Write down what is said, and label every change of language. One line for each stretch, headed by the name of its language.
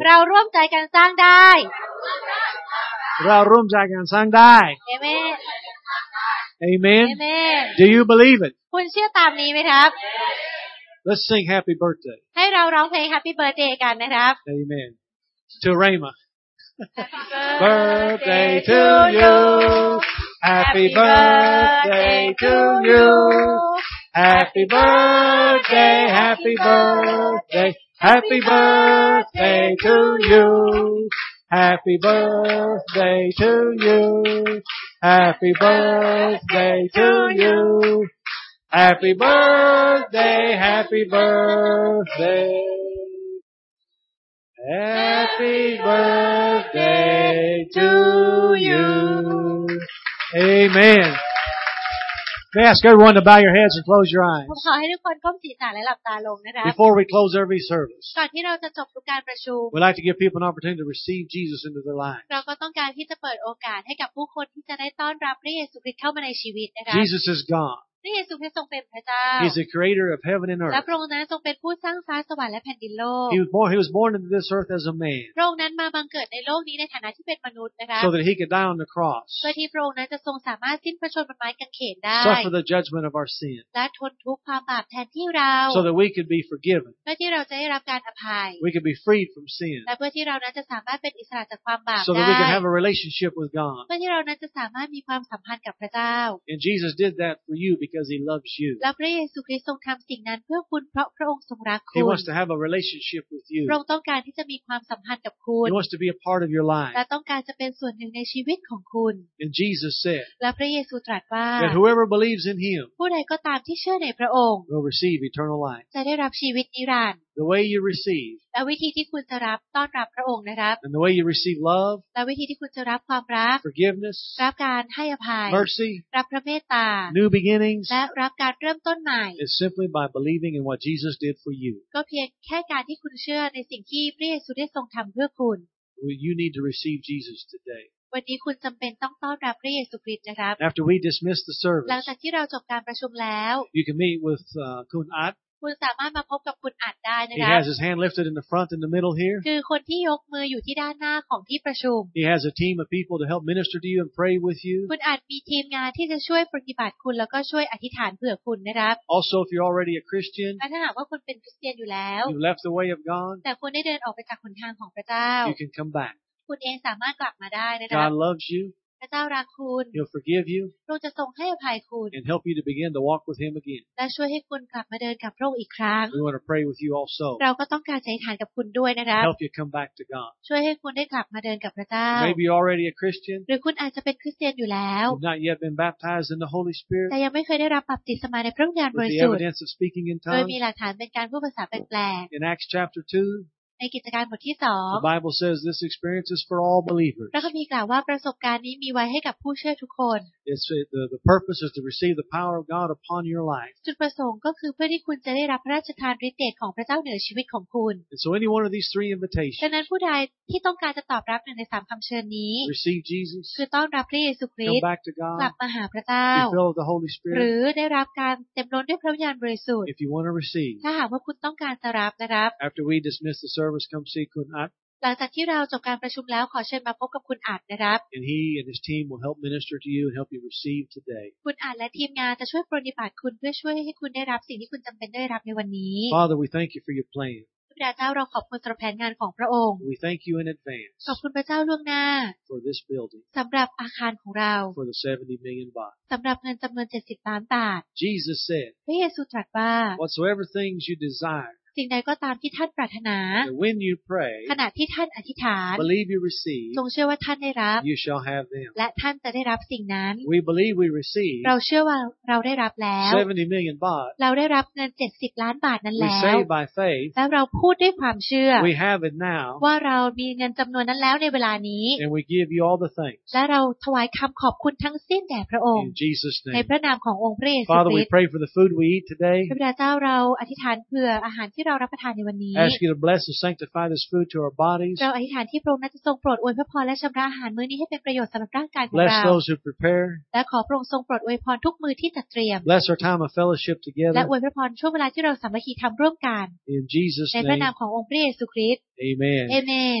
Thai: เราร่วมใจกันสร้างได้เราร่วมใจกันสร้างได้
English: Amen Amen Amen Do you believe it
Thai: คุณเชื่อตามนี้ไหมครับ
English: Let's sing Happy Birthday
Thai: ให้เราร้องเพลง Happy Birthday กันนะครับ
English: Amen To Rhema Birthday to you Happy Birthday to you Happy Birthday Happy Birthday Happy Birthday to youHappy birthday to you. Happy birthday to you. Happy birthday, happy birthday. Happy birthday to you. Amen. May I ask everyone to bow your heads and close your eyes.
Thai: ผมขอให้ทุกคนก้มศีรษะและหลับตาลงนะครับ
English: Before we close every service.
Thai: ก่อนที่เราจะจบทุกการประชุม
English: We'd like to give people an opportunity to receive Jesus into their lives.
Thai: เราก็ต้องการที่จะเปิดโอกาสให้กับผู้คนที่จะได้ต้อนรับพระเยซูคริสต์เข้ามาในชีวิตนะครับ
English: Jesus is God.
Thai: พระเยซูคริสต์ทรงเป็นพระเจ้า
English: He's the creator of heaven and earth.
Thai: และพระองค์นั้นทรงเป็นผู้สร้างฟ้าสวรรค์และแผ่นดินโลก
English: He was born into this earth as a man.
Thai: พระองค์นั้นมาบังเกิดในโลกนี้ในฐานะที่เป็นมนุษย์นะคะ
English: So that he could die on the cross.
Thai: เพื่อที่พระองค์นั้นจะทรงสามารถสิ้นพระชนม์บนไม้กางเขนได้
English: Suffer the judgment of our sin.
Thai: และทนทุกข์ความบาปแทนที่เรา
English: So that we could be forgiven.
Thai: เพื่อที่เราจะได้รับการอภัย
English: We could be freed from sin.
Thai: และเพื่อที่เรานั้นจะสามารถเป็นอิสระจากความบาปได้
English: So that we could have a relationship with God.
Thai: เพื่อที่เรานั้นจะสามารถมีความสัมพันธ์กับพระเจ้า
English: And Jesus did that for youBecause he loves you.
Thai: และพระเยซูคริสต์ทรงทำสิ่งนั้นเพื่อคุณเพราะพระองค์ทรงรักคุณ
English: He wants to have a relationship with you.
Thai: พระองค์ต้องการที่จะมีความสัมพันธ์กับคุณ
English: He wants to be a part of your life.
Thai: และต้องการจะเป็นส่วนหนึ่งในชีวิตของคุณ
English: And Jesus said.
Thai: และพระเยซูตรัสว่า
English: That whoever believes in him.
Thai: ผู้ใดก็ตามที่เชื่อในพระองค์
English: will receive eternal life.
Thai: จะได้รับชีวิตนิรันดร์
English: The way you receive.
Thai: และวิธีที่คุณจะรับต้อนรับพระองค์นะครับ
English: And the way you receive love.
Thai: และวิธีที่คุณจะรับความรัก
English: Forgiveness.
Thai: รับการให้อภัย
English: Mercy.
Thai: รับพระเมตตา
English: New beginning
Thai: และรับการเริ่มต้นใหม่
English: It's simply by believing in what Jesus did for you.
Thai: ก็เพียงแค่การที่คุณเชื่อในสิ่งที่พระเยซูได้ทรงทำเพื่อคุณ
English: Well, you need to receive Jesus today.
Thai: วันนี้คุณจำเป็นต้องต้อนรับพระเยซูคริสต์นะครับ
English: After we dismiss the service.
Thai: หลังจากที่เราจบการประชุมแล้ว
English: You can meet with คุณอัด
Thai: คุณสามารถมาพบกับคุณอัดได้นะครับ
English: He has his hand lifted in the front in the middle here.
Thai: คือคนที่ยกมืออยู่ที่ด้านหน้าของที่ประชุม
English: He has a team of people to help minister to you and pray with you.
Thai: คุณอัดมีทีมงานที่จะช่วยปฏิบัติคุณแล้วก็ช่วยอธิษฐานเผื่อคุณนะครับ
English: Also if you're already a Christian.
Thai: ถ้าหากว่าคุณเป็นคริสเตียนอยู่แล้ว
English: You left the way of God.
Thai: แต่คุณได้เดินออกไปจากหนทางของพระเจ้า
English: You can come back.
Thai: คุณเองสามารถกลับมาได้นะครับ
English: God loves you.
Thai: พระเจ้ารักคุณ
English: He'll forgive you.
Thai: พระองค์จะทรงให้อภัยคุณ
English: And help you to begin to walk with him again.
Thai: และช่วยให้คุณกลับมาเดินกับพระองค์อีกครั้ง
English: We want to pray with you also.
Thai: เราก็ต้องการอธิษฐานกับคุณด้วยนะครับ
English: Help you come back to God.
Thai: ช่วยให้คุณได้กลับมาเดินกับพระเจ้า
English: Maybe you're already a Christian.
Thai: หรือคุณอาจจะเป็นคริสเตียนอยู่แล้ว
English: You've not yet been baptized in the Holy Spirit.
Thai: แต่ยังไม่เคยได้รับบัพติศมาในพระวิญญาณบริสุทธิ์
English: With the evidence of speaking in tongues.
Thai: โดยมีหลักฐานเป็นการพูดภาษาแปลก
English: ๆ In Acts chapter 2.
Thai: ในกิจการบทที่2
English: The Bible says this experience is for all believers.
Thai: พระคัมภีร์กล่าวว่าประสบการณ์นี้มีไว้ให้กับผู้เชื่อทุกคน
English: It's the purpose is to receive the power of God upon your life.
Thai: จุดประสงค์ก็คือเพื่อที่คุณจะได้รับพระราชทานฤทธิ์เดชของพระเจ้าเหนือชีวิตของคุณ
English: And so any one of these three invitations.
Thai: ฉะนั้นผู้ใดที่ต้องการจะตอบรับหนึ่งใน3คำเชิญนี้
English: Receive Jesus.
Thai: คือต้อนรับพระเยซูคริสต์
English: Come back to God.
Thai: กลับมาหาพระเจ้า
English: Be filled with the Holy Spirit.
Thai: หรือได้รับการเต็มล้นด้วยพระวิญญาณบริสุทธิ์
English: If you want to receive.
Thai: ถ้าหากว่าคุณต้องการจะรับนะครับ
English: After we dismiss the service. Service come see Kun At.
Thai: หลังจากที่เราจบการประชุมแล้วขอเชิญมาพบกับคุณอัดนะครับ
English: And he and his team will help minister to you and help you receive today
Thai: คุณอัดและทีมงานจะช่วยปรนนิบัติคุณเพื่อช่วยให้คุณได้รับสิ่งที่คุณจำเป็นได้รับในวันนี้
English: Father we thank you for your plan
Thai: พระเจ้าเราขอบคุณสำหรับแผนงานของพระองค์
English: We thank you in advance
Thai: ขอบคุณพระเจ้าล่วงหน้า
English: For this building
Thai: สำหรับอาคารของเรา
English: For the 70 million baht
Thai: สำหรับเงินจำนวน70ล้านบาท
English: Jesus said
Thai: พระเยซูตรัสว่า
English: Whatsoever things you desire
Thai: สิ่งใดก็ตามที่ท่านปรารถนา
English: When you pray
Thai: ขณะที่ท่านอธิษฐาน
English: Believe you receive
Thai: จงเชื่อว่าท่านได้รับ
English: You shall have them
Thai: และท่านจะได้รับสิ่งนั้น
English: We believe we receive
Thai: เราเชื่อว่าเราได้รับแล้ว
English: 70 million baht
Thai: เราได้รับเงิน70ล้านบาทนั้นแล้ว
English: We say by faith
Thai: แล้วเราพูดด้วยความเชื่อ
English: We have it now
Thai: ว่าเรามีเงินจำนวนนั้นแล้วในเวลานี้
English: And we give you all the thanks
Thai: และเราถวายคำขอบคุณทั้งสิ้นแด่พระองค์
English: In Jesus name
Thai: ในพระนามขององค์พระเยซูค
English: ริสต์ Father we pray for the food we eat today
Thai: พระเจ้าเราอธิษฐานเพื่ออาหารที่เรารับประทานในวันนี้
English: Ask you to bless and sanctify this food to our bodies
Thai: เราอธิษฐานที่พระองค์จะทรงโปรดอวยพรและชำระอาหารมื้อนี้ให้เป็นประโยชน์สำหรับร่างกายของเรา
English: Bless those who prepare
Thai: และขอพระองค์ทรงโปรดอวยพรทุกมื้อที่จัดเตรียม
English: Bless our time of fellowship together
Thai: และอวยพรช่วงเวลาที่เราสามัคคีทำร่วมกัน
English: In Jesus name
Thai: ในพระนามขององค์พระเยซูคริสต์
English: Amen Amen